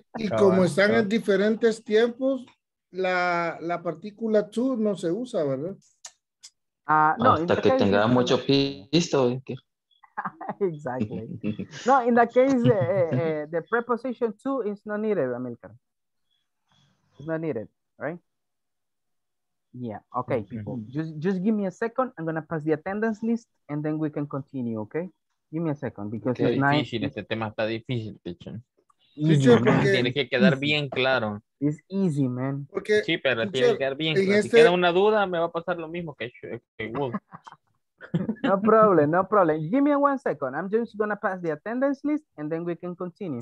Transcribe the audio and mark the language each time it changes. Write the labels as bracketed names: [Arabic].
[Spanish] Y como están en diferentes tiempos, la partícula to no se usa, ¿verdad? No, hasta que tenga mucho pisto. [English] Exactly. No, in that case, the preposition to is not needed, Amilcar. It's not needed, right? Yeah, okay, people. Mm-hmm. Just give me a second. I'm going to pass the attendance list, and then we can continue, okay? Give me a second, because okay, it's [Spanish] difícil, [English] nice. [Spanish] Este tema está difícil, teacher. Sí, tiene que quedar easy. Bien claro. [English] It's easy, man. [Spanish] Porque, sí, pero teacher, tiene que quedar bien claro. Este... Si queda una duda, me va a pasar lo mismo que Wood. [English] No problem, no problem. Give me one second. I'm just going to pass the attendance list, and then we can continue.